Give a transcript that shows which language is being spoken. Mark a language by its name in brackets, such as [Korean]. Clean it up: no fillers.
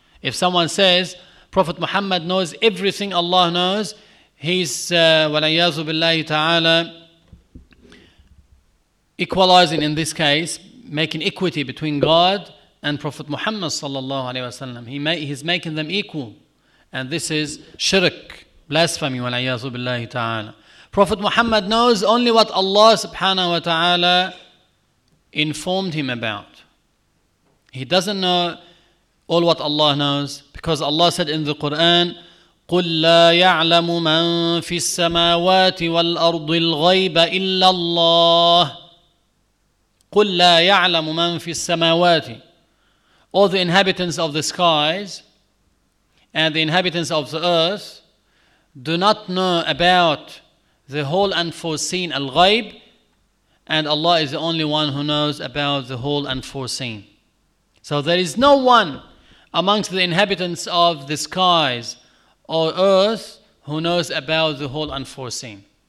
[English] If someone says Prophet Muhammad knows everything Allah knows, he's wal-ayyazu billahi ta'ala equalizing in this case, making equity between God and Prophet Muhammad sallallahu alaihi wasallam. He's making them equal, and this is shirk, blasphemy, wal-ayyazu billahi ta'ala. Prophet Muhammad knows only what Allah subhanahu wa ta'ala informed him about. He doesn't know all what Allah knows, because Allah said in the Quran, [Arabic] قُلْ لَا يَعْلَمُ مَنْ فِي السَّمَاوَاتِ وَالْأَرْضِ الْغَيْبَ إِلَّا اللَّهِ قُلْ لَا يَعْلَمُ مَنْ فِي السَّمَاوَاتِ [English] all the inhabitants of the skies and the inhabitants of the earth do not know about the whole unforeseen al-ghayb, and Allah is the only one who knows about the whole unforeseen. So there is no one amongst the inhabitants of the skies or earth who knows about the whole unforeseen.